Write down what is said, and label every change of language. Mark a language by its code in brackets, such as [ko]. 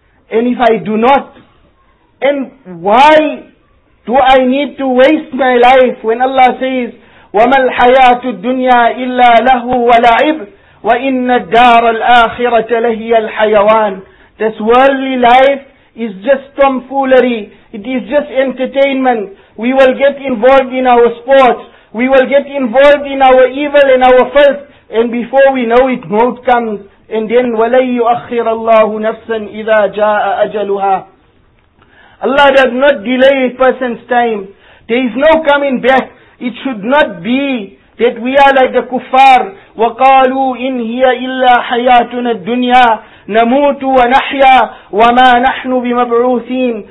[en] And if I do not, and why do I need to waste my life when Allah says, [ar] وَمَا الْحَيَاةُ الدُّنْيَا إِلَّا لَهُ وَلَعِبْ وَإِنَّ الدَّارَ الْآخِرَةَ لَهِيَ الْحَيَوَانِ. [en] This worldly life is just tomfoolery. It is just entertainment. We will get involved in our sports. We will get involved in our evil and our filth. And before we know it, mode comes. And then, [ar] وَلَيْ يُؤَخِّرَ اللَّهُ نَفْسًا إِذَا جَاءَ أَجَلُهَا. [en] Allah does not delay a person's time. There is no coming back. It should not be that we are like the kuffar. [ar] وَقَالُوا إِنْ هِيَ إِلَّا حَيَاتُنَا الدُّنْيَا نَمُوتُ وَنَحْيَا وَمَا نَحْنُ بِمَبْعُوثِينَ.